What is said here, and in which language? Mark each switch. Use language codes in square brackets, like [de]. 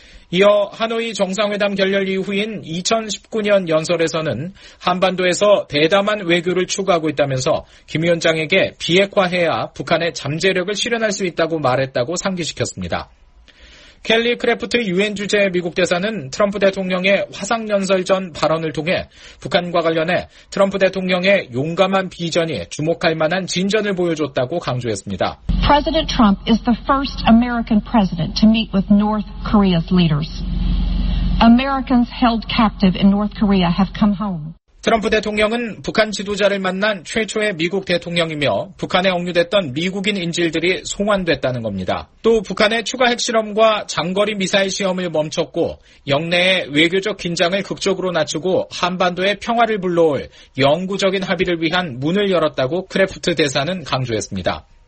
[ko] 이어 하노이 정상회담 결렬 이후인 2019년 연설에서는 한반도에서 대담한 외교를 추구하고 있다면서 김 위원장에게 비핵화해야 북한의 잠재력을 실현할 수 있다고 말했다고 상기시켰습니다. 켈리 크래프트 유엔 주재 미국 대사는 트럼프 대통령의 화상연설 전 발언을 통해 북한과 관련해 트럼프 대통령의 용감한 비전이 주목할 만한 진전을 보여줬다고 강조했습니다. [en] President Trump is the first American president to meet with North Korea's leaders. Americans held captive in North Korea have come home. [ko] 트럼프 대통령은 북한 지도자를 만난 최초의 미국 대통령이며 북한에 억류됐던 미국인 인질들이 송환됐다는 겁니다. 또 북한의 추가 핵실험과 장거리 미사일 시험을 멈췄고 영내의 외교적 긴장을 극적으로 낮추고 한반도의 평화를 불러올 영구적인 합의를 위한 문을 열었다고 크래프트 대사는 강조했습니다.